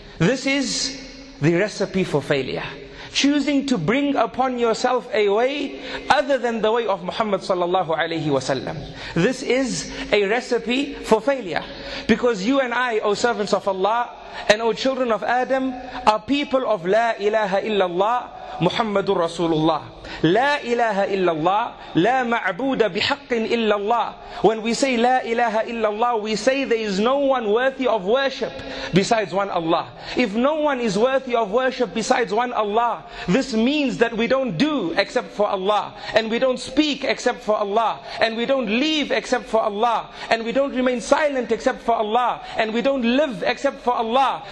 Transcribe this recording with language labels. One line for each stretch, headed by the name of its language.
English: This is the recipe for failure. Choosing to bring upon yourself a way other than the way of Muhammad sallallahu alayhi wa sallam. This is a recipe for failure. Because you and I, O servants of Allah and O children of Adam, are people of
Arabic: La ilaha illallah, Muhammadur Rasulullah. لا إله إلا الله لا معبود بحق إلا الله.
English: When we say
Arabic: لا إله إلا الله,
English: we say there is no one worthy of worship besides one Allah. If no one is worthy of worship besides one Allah, this means that we don't do except for Allah, and we don't speak except for Allah, and we don't leave except for Allah, and we don't remain silent except for Allah, and we don't live except for Allah.